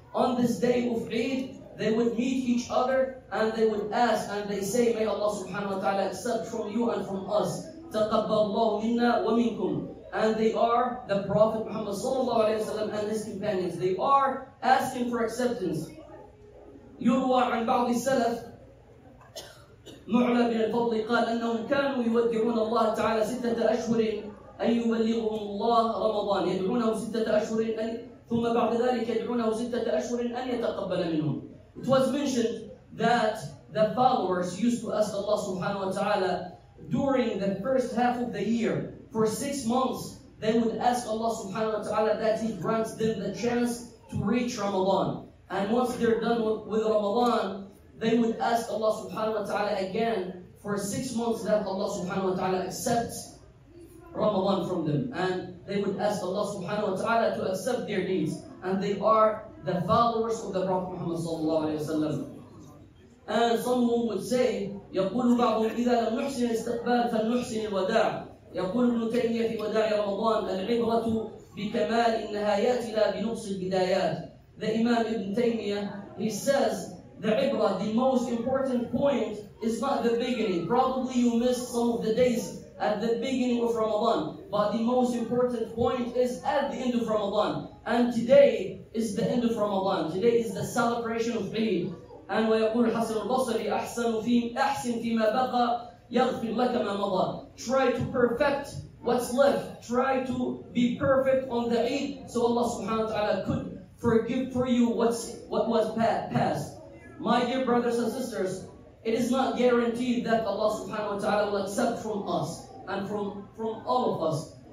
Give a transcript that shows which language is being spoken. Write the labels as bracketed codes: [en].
[en] On this day of Eid, they would meet each other and they would ask and they say, may Allah subhanahu wa ta'ala accept from you and from us. [ar] Taqabbalallahu minna wa minkum. [en] And they are the Prophet Muhammad sallallahu alayhi wa sallam and his companions. They are asking for acceptance. [ar] يروى عن بعض السلف معنى بن الفضل قال أنهم كانوا يودعون الله تعالى ستة أشهر أن يبلغهم الله رمضان يدعونه ستة أشهر ثم بعد ذلك يدعونه ستة أشهر أن يتقبل منهم. [en] It was mentioned that the followers used to ask Allah subhanahu wa ta'ala during the first half of the year. For 6 months, they would ask Allah subhanahu wa ta'ala that He grants them the chance to reach Ramadan. And once they're done with Ramadan, they would ask Allah subhanahu wa ta'ala again for 6 months that Allah subhanahu wa ta'ala accepts Ramadan from them. And they would ask Allah subhanahu wa ta'ala to accept their deeds. And they are the followers of the Prophet Muhammad sallallahu alayhi wa sallam. And some of them would say, [ar] يَقُولُ بَعْضُمْ إِذَا لَمْ نُحْسِنِ اسْتَقْبَالَ فَلْنُحْسِنِ الْوَدَاعِ. يقول ابن تيمية في وداع رمضان العبرة بكمال النهايات لا بنقص البدايات. [en] The Imam Ibn Taymiyyah, he says, the ibra, the most important point, is not the beginning. Probably you missed some of the days at the beginning of Ramadan, but the most important point is at the end of Ramadan. And today is the end of Ramadan. Today is the celebration of Eid. And [ar] ويقول حسن البصري أحسن فيما بقى يغفر لك ما مضى. [en] Try to perfect what's left. Try to be perfect on the Eid, so Allah subhanahu wa ta'ala could forgive for you what was past. My dear brothers and sisters, it is not guaranteed that Allah subhanahu wa ta'ala will accept from us and from all of us.